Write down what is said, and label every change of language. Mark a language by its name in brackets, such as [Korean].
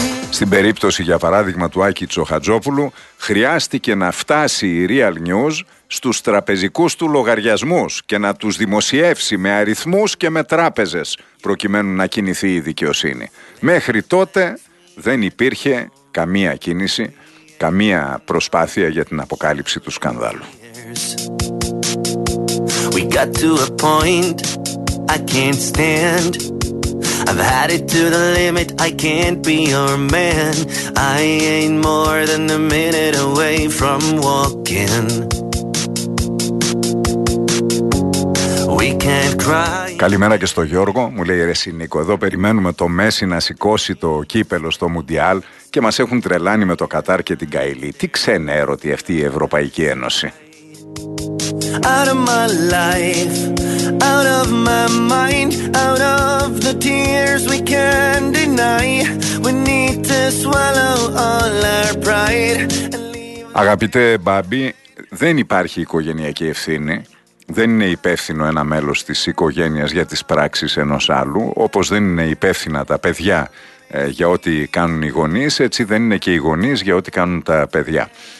[Greek] Στην περίπτωση, για παράδειγμα, του Άκη Τσοχατζόπουλου, χρειάστηκε να φτάσει η Real News στους τραπεζικούς του λογαριασμούς και να τους δημοσιεύσει με αριθμούς και με τράπεζες, προκειμένου να κινηθεί η δικαιοσύνη. Μέχρι τότε δεν υπήρχε καμία κίνηση, καμία προσπάθεια για την αποκάλυψη του σκανδάλου. [English] We got to a point I can't stand. I've had it to the limit, I can't be your man. I ain't more than a minute away from walking. We can't cry. [Greek] Καλημέρα και στο Γιώργο. Μου λέει, ρε Συνίκο, εδώ περιμένουμε το Μέση να σηκώσει το κύπελο στο Μουντιάλ και μας έχουν τρελάνει με το Κατάρ και την Γκαϊλή. Τι ξένα έρωτη αυτή η Ευρωπαϊκή Ένωση. [English] Out of my life, out of my mind, out of the tears we can deny. We need to swallow all our pride. [Greek] Αγαπητέ Μπάμπη, δεν υπάρχει οικογενειακή ευθύνη. Δεν είναι υπεύθυνο ένα μέλος της οικογένειας για τις πράξεις ενός άλλου, όπως δεν είναι υπεύθυνα τα παιδιά για ό,τι κάνουν οι γονείς, έτσι δεν είναι και οι γονείς για ό,τι κάνουν τα παιδιά.